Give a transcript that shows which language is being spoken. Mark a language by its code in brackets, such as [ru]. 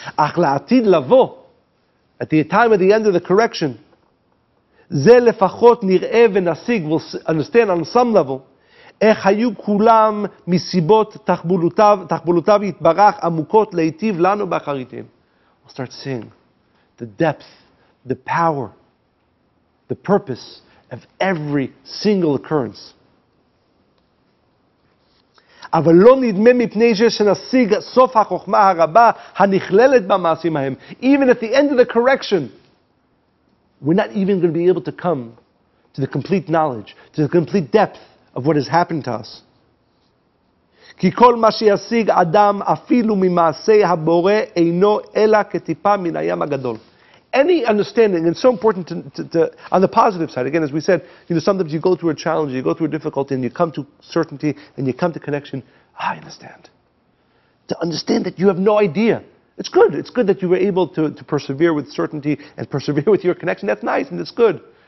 [en] At the time of the end of the correction, we'll understand on some level, we'll start seeing the depth, the power, the purpose of every single occurrence. [he] אבל לא נדמה מפני שנשיג סוף החוכמה הרבה הנכללת במעשים ההם. [en] Even at the end of the correction, we're not even going to be able to come to the complete knowledge, to the complete depth of what has happened to us. [he] כי כל מה שישיג אדם אפילו ממעשי הבורא אינו אלא כטיפה מן הים הגדול. [en] Any understanding, and it's so important to on the positive side, again, as we said, you know, sometimes you go through a challenge, you go through a difficulty, and you come to certainty, and you come to connection, I understand. To understand that you have no idea. It's good. It's good that you were able to persevere with certainty and persevere with your connection. That's nice, and it's good.